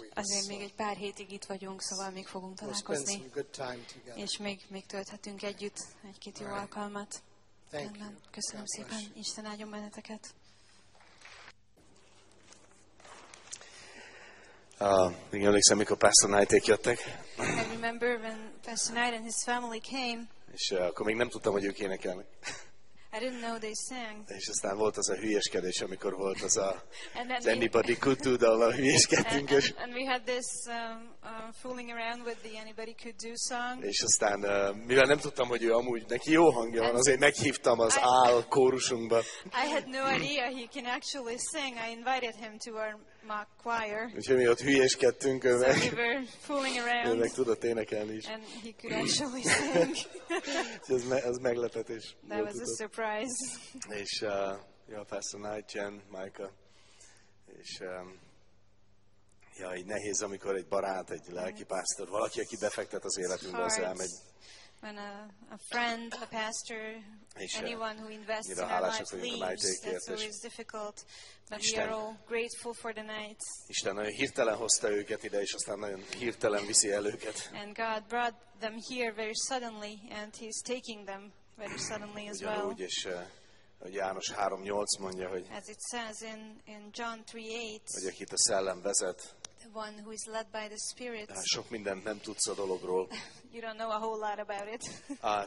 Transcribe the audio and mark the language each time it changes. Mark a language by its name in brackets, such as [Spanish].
[Hungarian] És azért még egy pár hétig itt vagyunk, szóval még fogunk találkozni. [English] We'll spend some good time together. [Hungarian] És még tölthetünk együtt egy-két jó alkalmat. [English] Thank you. [Hungarian] Köszönöm szépen. Isten áldjon benneteket. Még emlékszem, mikor Pastor Knight-ék jöttek. [English] I remember when Pastor Knight and his family came. [Hungarian] És akkor még nem tudtam, hogy ők énekelnek. [English] I didn't know they sang. [Hungarian] És aztán volt az a hülyeskedés, amikor volt az a [English] anybody could do, [Hungarian] de a hülyeskedtünk. [English] And we had this fooling around with the anybody could do song. [Hungarian] És aztán, mivel nem tudtam, hogy ő amúgy neki jó hangja van, azért meghívtam az áll kórusunkba. [English] I had no idea he can actually sing. I invited him to our mock choir. [Hungarian] Úgyhogy mi ott hülyeskedtünk, [English] so we were fooling around. [Hungarian] Ő meg tudott énekelni is. [English] And he could actually sing. [Hungarian] És ez meglepetés. [English] That was a surprise. [Hungarian] És Pastor Knight, Jen, Micah. És így nehéz, amikor egy barát, egy lelki pásztor, valaki, aki befektet az életünkbe, az elmegy. [English] When a friend, a pastor, [Hungarian] és, [English] anyone who invests in our life leaves, that's always difficult. But [Hungarian] Isten, [English] we are all grateful for the night. [Hungarian] Isten nagyon hirtelen hozta őket ide, és aztán nagyon hirtelen viszi el őket. [English] And God brought them here very suddenly, and he's taking them very suddenly as well. [Hungarian] Ugyanúgy, és hogy János 3:8 mondja, hogy [English] as it says in John 3:8, [Hungarian] hogy akit a szellem vezet, [English] one who is led by the spirit. [Hungarian] Sok mindent nem tudsz a dologról. [English] You don't know a whole lot about it.